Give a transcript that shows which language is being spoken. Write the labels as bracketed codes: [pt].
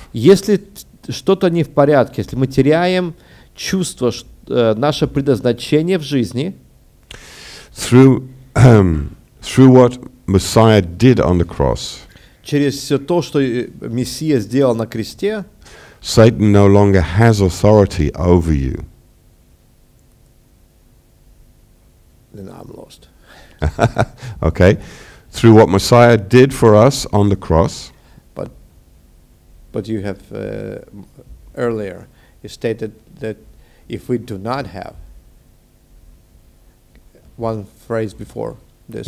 [ru] Если что-то не в порядке, если мы теряем чувство, наше предназначение в жизни. [en] Through what Messiah did on the cross. [ru] Через все то, что Мессия сделал на кресте. [en] Satan no longer has authority over you. Then I'm lost. Okay. Through what Messiah did for us on the cross. But you have earlier you stated that if we do not have one phrase before this.